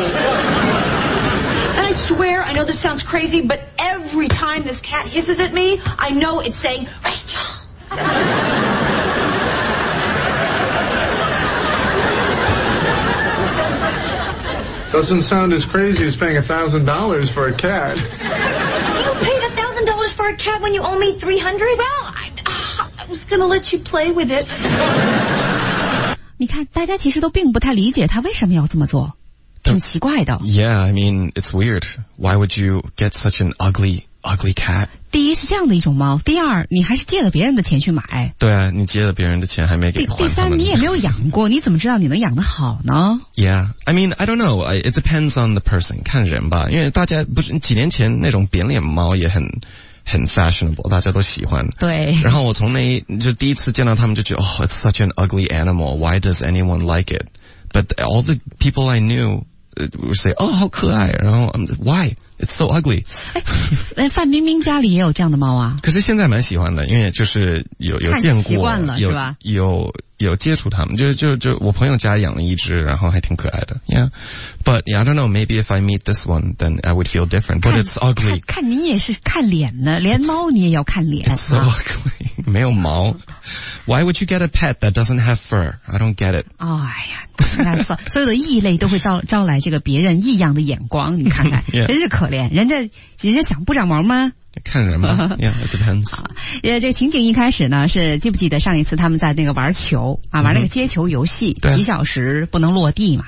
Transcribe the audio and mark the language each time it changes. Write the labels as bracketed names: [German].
[English] And I swear, I know this sounds crazy, but every time this cat hisses at me, I know it's saying, Rachel. Doesn't sound as crazy as paying $1,000 for a cat. You paid $1,000 for a cat when you owe me $300? Well, I was going to let you play with it. [Chinese] 你看，大家其实都并不太理解他为什么要这么做，挺奇怪的。 [English] Yeah, I mean, it's weird. Why would you get such an ugly cat? [Chinese] 第一是这样的一种猫，第二你还是借了别人的钱去买。对啊，你借了别人的钱还没给还他们。第三你也没有养过，你怎么知道你能养得好呢？ [English] Yeah, I mean, I don't know. It depends on the person, [Chinese] 看人吧。因为大家不是几年前那种扁脸猫也很 fashionable, 大家都喜欢。对。然后我从那就第一次见到他们就觉得 [English] Oh, it's such an ugly animal. Why does anyone like it? But all the people I knew would say, Oh, [Chinese] 好可爱。 [English] 然后 Why? It's so ugly. [Chinese] 哎，范冰冰家里也有这样的猫啊。可是现在蛮喜欢的，因为就是有见过，看习惯了有是吧？有接触它们，就我朋友家养了一只，然后还挺可爱的。 [English] Yeah, but yeah, I don't know. Maybe if I meet this one, then I would feel different. But it's ugly. [Chinese] 看你也是看脸呢，连猫你也要看脸。 [English] It's so ugly. [Chinese] 没有毛。 [English] Why would you get a pet that doesn't have fur? I don't get it. [Chinese] 哎呀，那所有的异类都会招来这个别人异样的眼光。你看看，真是可怜。人家想不长毛吗？看人吧。 [English] Yeah, it depends. [Chinese] 这个情景一开始呢，是记不记得上一次他们在那个玩球啊，玩那个接球游戏，几小时不能落地嘛。